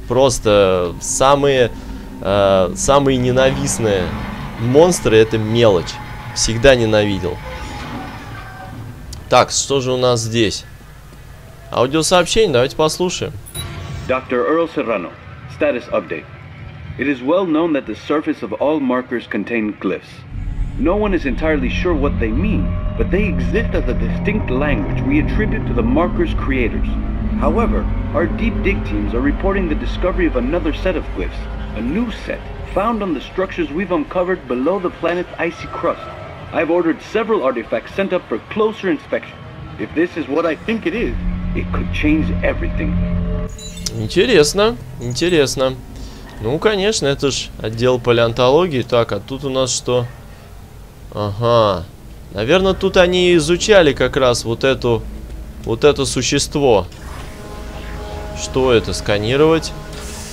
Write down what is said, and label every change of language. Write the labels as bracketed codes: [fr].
[ru] Просто самые... самые ненавистные монстры — это мелочь. Всегда ненавидел. Так, что же у нас здесь? Аудиосообщение, давайте послушаем. Доктор Эрл Серрано, статус апдейт. [en] It is well known that the surface of all markers contain glyphs. No one is entirely sure what they mean, but they exist as a distinct language we attribute to the markers' creators. However, our deep dig teams are reporting the discovery of another set of glyphs, a new set, found on the structures we've uncovered below the planet's icy crust. I've ordered several artifacts sent up for closer inspection. If this is what I think it is, it could change everything. [ru] Интересно, интересно. Ну, конечно, это ж отдел палеонтологии. Так, а тут у нас что? Ага. Наверное, тут они изучали как раз вот эту... Вот это существо. Что это? Сканировать?